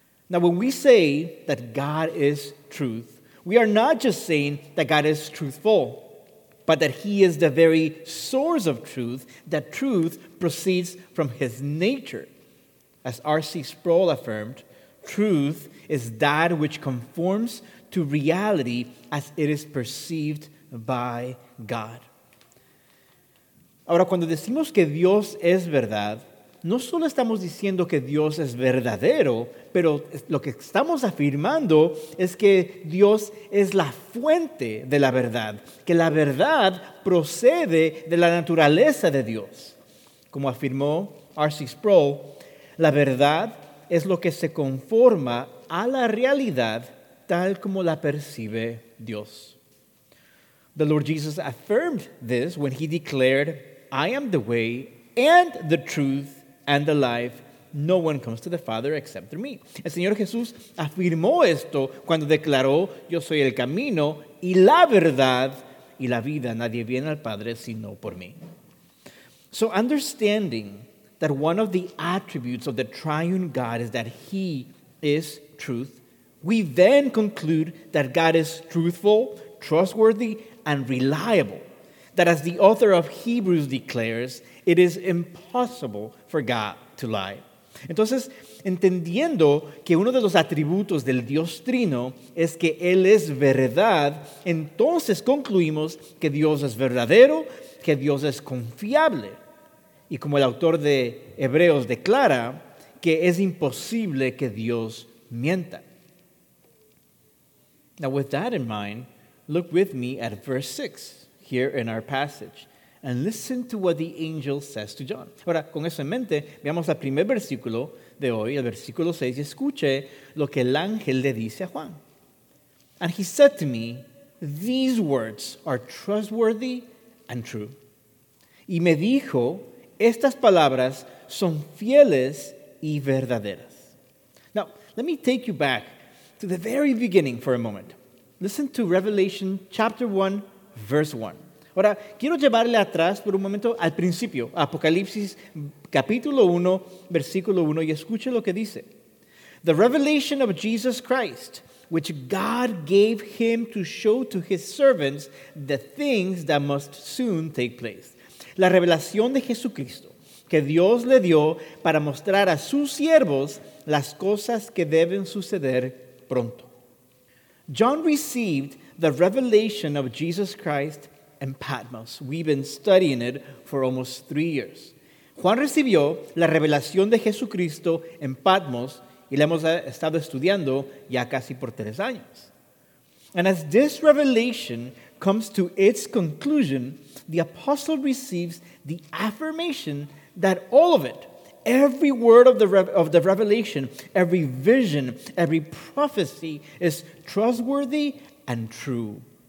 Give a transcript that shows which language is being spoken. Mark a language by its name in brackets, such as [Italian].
[English] Now, when we say that God is truth, we are not just saying that God is truthful, but that he is the very source of truth, that truth proceeds from his nature. As R.C. Sproul affirmed, truth is that which conforms to reality as it is perceived by God. [Spanish] Ahora, cuando decimos que Dios es verdad, no solo estamos diciendo que Dios es verdadero, pero lo que estamos afirmando es que Dios es la fuente de la verdad, que la verdad procede de la naturaleza de Dios. Como afirmó R.C. Sproul, la verdad es lo que se conforma a la realidad tal como la percibe Dios. [English] The Lord Jesus affirmed this when he declared, "I am the way and the truth and the life. No one comes to the Father except through me." [Spanish] El Señor Jesús afirmó esto cuando declaró, "Yo soy el camino y la verdad y la vida. Nadie viene al Padre sino por mí." [English] So understanding that one of the attributes of the triune God is that he is truth, we then conclude that God is truthful, trustworthy, and reliable. That as the author of Hebrews declares, it is impossible for God to lie. [Spanish] Entonces, entendiendo que uno de los atributos del Dios trino es que él es verdad, entonces concluimos que Dios es verdadero, que Dios es confiable. Y como el autor de Hebreos declara, que es imposible que Dios mienta. [English] Now, with that in mind, look with me at verse 6 here in our passage and listen to what the angel says to John. [Spanish] Ahora, con eso en mente, veamos el primer versículo de hoy, el versículo 6, y escuche lo que el ángel le dice a Juan. [English] "And he said to me, 'These words are trustworthy and true.' [Spanish] Y me dijo, 'Estas palabras son fieles y verdaderas.'" [English] Now, let me take you back to the very beginning for a moment. Listen to Revelation chapter 1, verse 1. [Spanish] Ahora, quiero llevarle atrás por un momento al principio, Apocalipsis capítulo 1, versículo 1, y escuche lo que dice. [English] The revelation of Jesus Christ, which God gave him to show to his servants the things that must soon take place. [Spanish] La revelación de Jesucristo, que Dios le dio para mostrar a sus siervos las cosas que deben suceder pronto. [English] John received the revelation of Jesus Christ in Patmos. We've been studying it for almost 3 years. [Spanish] Juan recibió la revelación de Jesucristo en Patmos y la hemos estado estudiando ya casi por 3 años. [English] And as this revelation comes to its conclusion, the apostle receives the affirmation that all of it, every word of the revelation, every vision, every prophecy is trustworthy and true.